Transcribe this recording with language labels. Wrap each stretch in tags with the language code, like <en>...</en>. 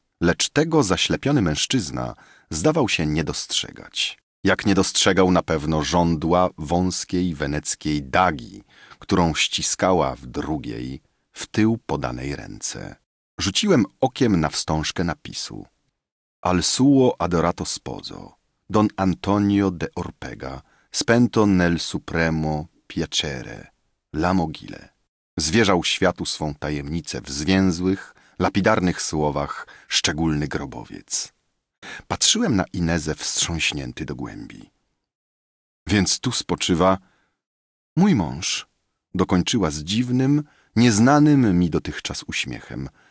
<pl>Lecz tego zaślepiony mężczyzna zdawał się nie dostrzegać. Jak nie dostrzegał na pewno żądła wąskiej weneckiej dagi, którą ściskała w drugiej, w tył podanej ręce. Rzuciłem okiem na wstążkę napisu.</pl> <it>Al suo adorato sposo, don Antonio de Orpega, spento nel supremo piacere, la mogile.</it> <pl>Zwierzał światu swą tajemnicę w zwięzłych, lapidarnych słowach szczególny grobowiec. Patrzyłem na Inezę wstrząśnięty do głębi. Więc tu spoczywa mój mąż, dokończyła z dziwnym, nieznanym mi dotychczas uśmiechem.</pl>